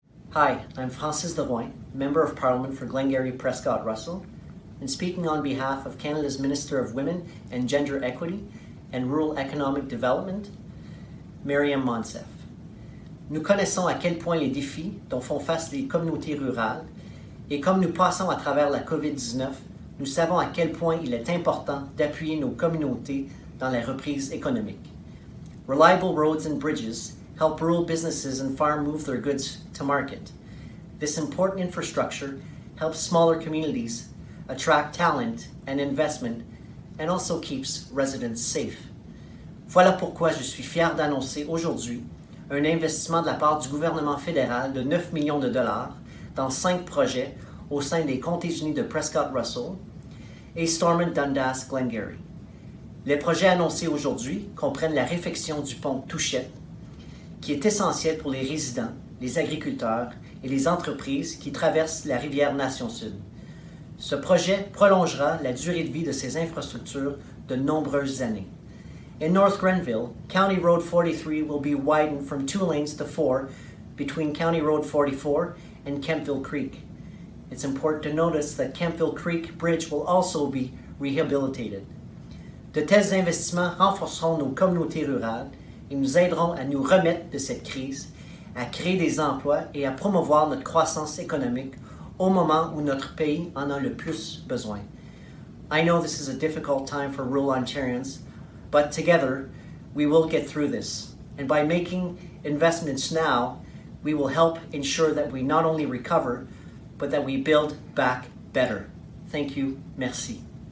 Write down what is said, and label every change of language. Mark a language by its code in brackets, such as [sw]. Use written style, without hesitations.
[en] Hi, I'm Francis Leroy, Member of Parliament for Glengarry Prescott Russell, and speaking on behalf of Canada's Minister of Women and Gender Equity and Rural Economic Development, Miriam Monsef. [fr] Nous connaissons à quel point les défis dont font face les communautés rurales, et comme nous passons à travers la COVID-19, nous savons à quel point il est important d'appuyer nos communautés dans la reprise économique. [en] Reliable roads and bridges help rural businesses and farms move their goods to market. This important infrastructure helps smaller communities attract talent and investment and also keeps residents safe. [fr] Voilà pourquoi je suis fier d'annoncer aujourd'hui un investissement de la part du gouvernement fédéral de 9 millions de dollars dans 5 projets au sein des comtés unis de Prescott Russell et Stormont Dundas Glengarry. Les projets annoncés aujourd'hui comprennent la réfection du pont Toute, qui est essentiel pour les résidents, les agriculteurs et les entreprises qui traversent la rivière Nation Sud. Ce projet prolongera la durée de vie de ces infrastructures de nombreuses années. [en] In North Grenville, County Road 43 will be widened from 2 lanes to 4 between County Road 44 and Kempville Creek. It's important to notice that Kempville Creek Bridge will also be rehabilitated. [fr] De tels investissements renforceront nos communautés rurales et nous aideront à nous remettre de cette crise, à créer des emplois et à promouvoir notre croissance économique au moment où notre pays en a le plus besoin. [en] I know this is a difficult time for rural Ontarians, but together, we will get through this. And by making investments now, we will help ensure that we not only recover, but that we build back better. Thank you. [fr] Merci.